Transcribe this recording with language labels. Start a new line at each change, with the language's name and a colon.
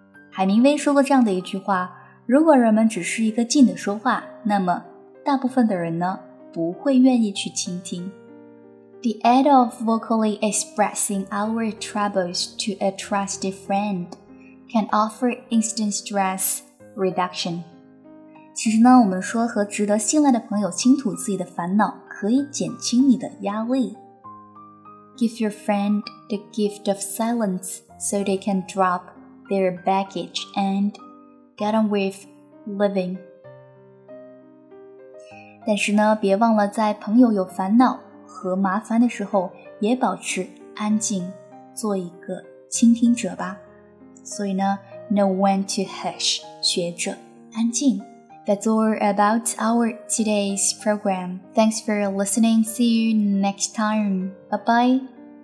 Chinese: 海明威说过这样的一句话，如果人们只是一个劲的说话，那么大部分的人呢，不会愿意去倾听。
English: The art of vocally expressing our troubles to a trusted friend can offer instant stress reduction.
Chinese: 其实呢，我们说和值得信赖的朋友倾吐自己的烦恼，可以减轻你的压力。
English: Give your friend the gift of silence so they can drop their baggage and get on with living.
Chinese: 但是呢，别忘了在朋友有烦恼和麻烦的时候，也保持安静，做一个倾听者吧。所以呢 ，
English: know when to hush，
Chinese: 学着安静。
English: That's all about our today's program. Thanks for listening. See you next time. Bye-bye.